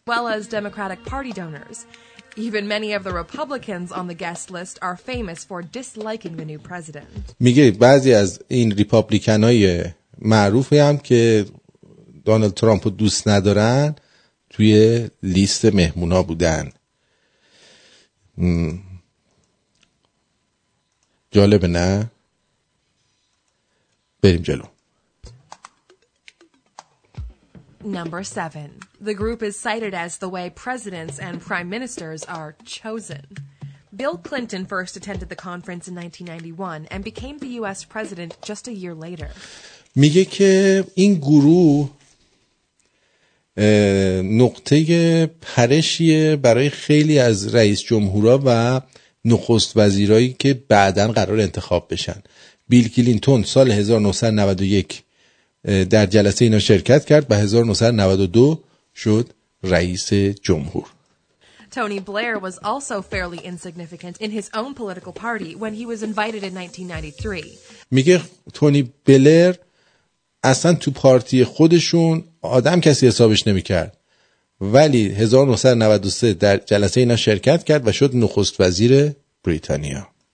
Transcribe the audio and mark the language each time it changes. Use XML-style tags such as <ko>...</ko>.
<en>Well as Democratic Party donors, even many of the Republicans on the guest list are famous for disliking the new president.</en> <fa>میگه بعضی از این ریپابلیکنای معروفی هم که دونالد ترامپ رو دوست ندارن توی لیست مهمونا بودن. جالب نه؟ بریم جلو.</fa> <en>Number 7. The group is cited as the way presidents and prime ministers are chosen. Bill Clinton first attended the conference in 1991 and became the US president just a year later.</en> <fa>میگه که این گروه نقطه پرشیه برای خیلی از رئیس جمهورا و نخست وزیرایی که بعداً قرار انتخاب بشن. بیل کلینتون سال 1991 در جلسه اینا شرکت کرد و 1992 شد رئیس جمهور.</fa> <en>Tony Blair was also fairly insignificant in his own political party when he was invited in 1993.</en> <fa>میگه تونی بلر اصلا تو پارتی خودشون آدم کسی حسابش نمیکرد. ولی 1993 در جلسه اینا شرکت کرد و شد نخست وزیر بریتانیا.</fa>